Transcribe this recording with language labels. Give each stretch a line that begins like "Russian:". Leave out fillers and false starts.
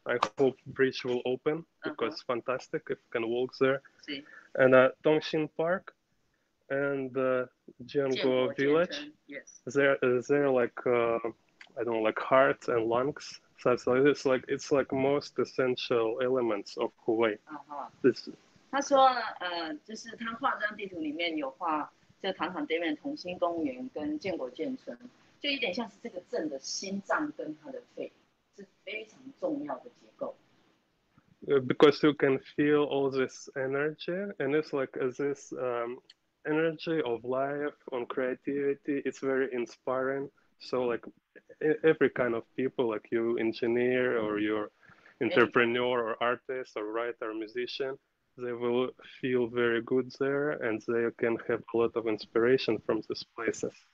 English: I hope bridge will open because it's fantastic if you can walk there. Si. And Dongxin Park. And the Jianguo village, they're like, I don't know, like heart and lungs. So it's like most essential elements of Hawaii. Uh-huh.
Chinese: 他说，就是他画张地图里面有画，就唐坦对面同心公园跟建国建村，就有点像是这个镇的心脏跟它的肺，是非常重要的结构。
English: Because you can feel all this energy, and it's like this, energy of life on creativity, it's very inspiring. So like every kind of people, like you engineer or you're entrepreneur or artist or writer or musician, they will feel very good there and they can have a lot of inspiration from these places.